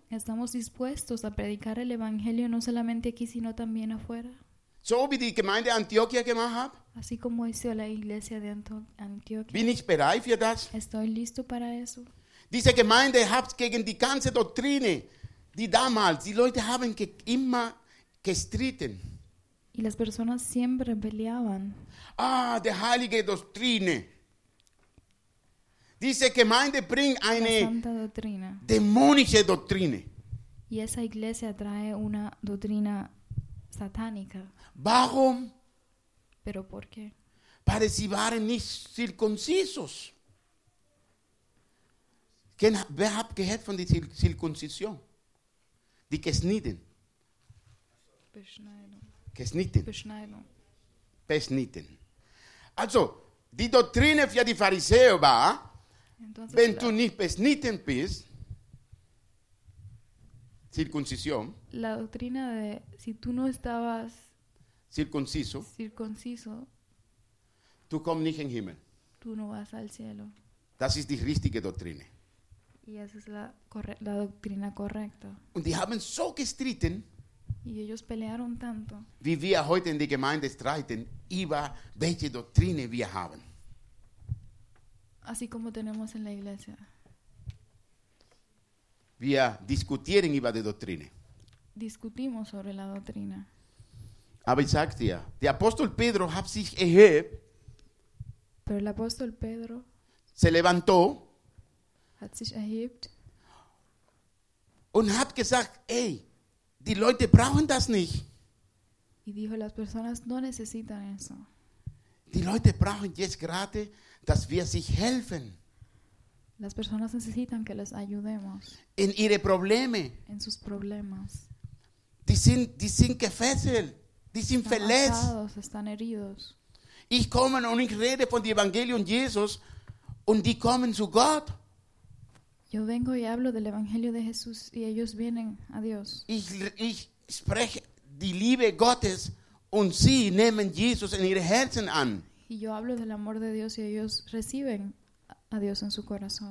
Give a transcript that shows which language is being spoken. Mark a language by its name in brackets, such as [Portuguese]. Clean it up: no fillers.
[Spanish] ¿Estamos dispuestos a predicar el Evangelio no solamente aquí, sino también afuera? [German] So wie die Gemeinde Antioquia gemacht hat. [Spanish] Así como hizo la iglesia de Antioquia. [German] Bin ich bereit für das? [Spanish] Estoy listo para eso. [German] Diese Gemeinde hat gegen die ganze Doktrine, die damals, die Leute haben immer gestritten. [Spanish] Y las personas siempre peleaban. [German] Ah, die heilige Doktrine. Diese Gemeinde bringt eine dämonische Doktrine. [Spanish] Y esa iglesia trae una doctrina satánica. [German] Warum? [Spanish] Pero ¿por qué? Porque [German] sie waren nicht [Spanish] circuncisos. [German] Wer hat gehört von der Zirkonzision? Die Gesniden. Beschneidung. Gesniden. Beschneidung. Beschneiden. Also, die Doktrine für die Pharisäer war, [Spanish] entonces, [German] wenn du nicht beschnitten bist, Zirkonzision. [Spanish] La doctrina de, si tú no estabas circunciso, circunciso, [German] du kommst nicht in den Himmel. [Spanish] Tú no vas al cielo. [German] Das ist die richtige Doktrine. [Spanish] Y esa es la doctrina correcta. [German] Und die haben so gestritten, [Spanish] y ellos pelearon tanto, [German] wie wir heute in die Gemeinde streiten, über welche Doktrine wir haben. [Spanish] Así como tenemos en la iglesia. [German] Wir diskutieren über die Doktrine. [Spanish] Discutimos sobre la doctrina. [German] Aber ich sag dir, der Apostel Pedro hat sich erhebt, [Spanish] pero el apóstol Pedro se levantó, [German] hat sich erhebt und hat gesagt, ey, die Leute brauchen das nicht. [Spanish] Y dijo, las personas no necesitan eso. [German] Die Leute brauchen jetzt gerade, dass wir sich helfen. [Spanish] Las personas necesitan que les ayudemos. [German] In ihre Probleme. [Spanish] En sus problemas. [German] Die sind gefesselt. Die sind verletzt. [Spanish] Cansados, están heridos. [German] Ich komme und ich rede von dem Evangelium Jesus und die kommen zu Gott. [Spanish] Yo vengo y hablo del Evangelio de Jesús y ellos vienen a Dios. [German] Ich spreche die Liebe Gottes und sie nehmen Jesus in ihre Herzen an. [Spanish] Y yo hablo del amor de Dios y ellos reciben a Dios en su corazón.